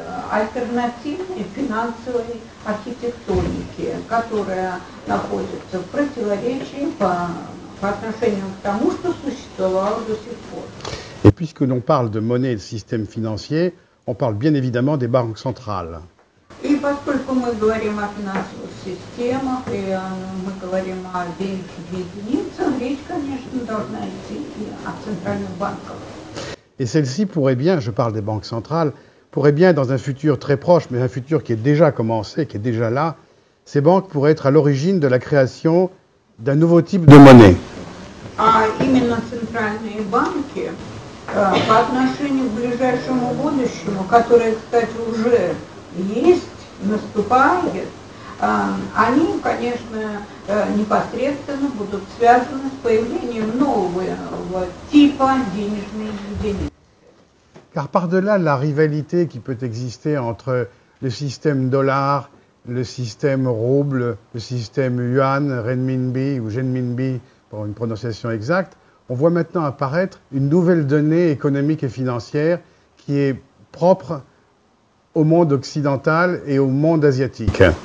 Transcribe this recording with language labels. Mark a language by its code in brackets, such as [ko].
[ru] Альтернативной финансовой архитектоники, которая находится в противоречии по отношению к тому, что существовало до сих пор. [fr] Et puisque l'on parle de monnaie et de système financier, on parle bien évidemment des banques centrales. [ru] И поскольку мы говорим о финансовых системах, и мы говорим о денежных единицах, речь, конечно, должна идти и о центральных банках. [fr] Et celle-ci pourrait bien, je parle des banques centrales, pourrait bien dans un futur très proche, mais un futur qui est déjà commencé, qui est déjà là, ces banques pourraient être à l'origine de la création d'un nouveau type de monnaie. [ru] Именно центральные банки, по отношению к ближайшему будущему, которое, кстати, уже есть, наступает, они, конечно, непосредственно будут связаны с появлением нового типа денежной единицы. [fr] Car par-delà la rivalité qui peut exister entre le système dollar, le système rouble, le système yuan, renminbi ou zhenminbi, pour une prononciation exacte, on voit maintenant apparaître une nouvelle donnée économique et financière qui est propre au monde occidental et au monde asiatique.